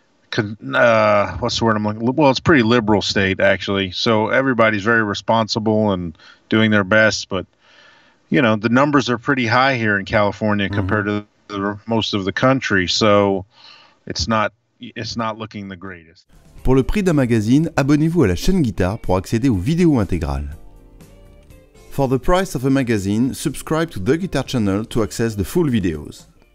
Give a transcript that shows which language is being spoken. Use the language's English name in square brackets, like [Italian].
[English] Well, it's a pretty liberal state, actually. So everybody's very responsible and doing their best. But, you know, the numbers are pretty high here in California compared to most of the country. So it's not looking the greatest. [French] Pour le prix d'un magazine, abonnez-vous à la chaîne Guitare pour accéder aux vidéos intégrales. [English] For the price of a magazine, subscribe to The Guitar Channel to access the full videos.